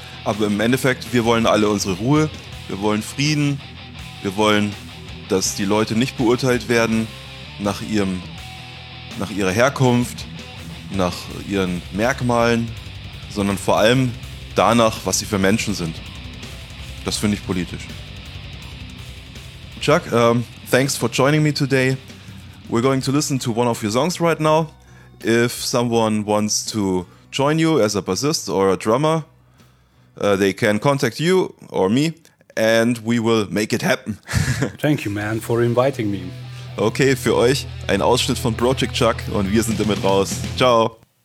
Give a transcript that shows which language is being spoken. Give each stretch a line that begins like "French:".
German: Aber im Endeffekt, wir wollen alle unsere Ruhe, wir wollen Frieden, wir wollen, dass die Leute nicht beurteilt werden nach ihrer Herkunft, nach ihren Merkmalen, sondern vor allem danach, was sie für Menschen sind. Das finde ich politisch.
English: Chuck, thanks for joining me today. We're going to listen to one of your songs right now. If someone wants to join you as a bassist or a drummer, they can contact you or me and we will make it happen. Thank you, man, for inviting me.
German: Okay, für euch ein Ausschnitt von Project Chuck und wir sind damit raus. Ciao.